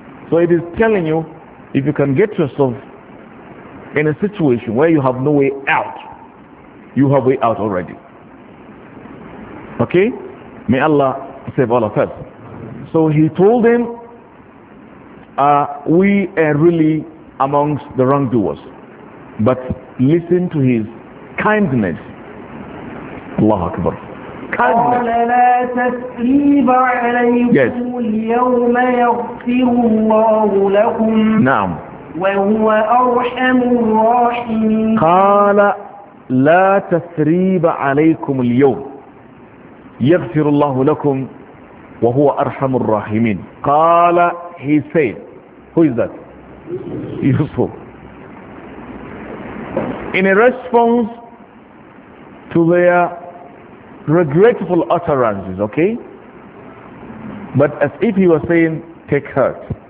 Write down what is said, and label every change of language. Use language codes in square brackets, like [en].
[en] So it is telling you, if you can get yourself in a situation where you have no way out, you have way out already. Okay? May Allah save all of us. So he told them, we are really amongst the wrongdoers. But listen to his kindness. Allahu Akbar. [ar] قال لا تثريب عليكم اليوم يغفر الله لكم. نعم. وهو أرحم الراحمين. قال لا تثريب عليكم اليوم يغفر الله لكم وهو أرحم الراحمين. [en] قال he said, who is that? Yusuf. In a response to their regretful utterances, okay? But as if he was saying, take heart.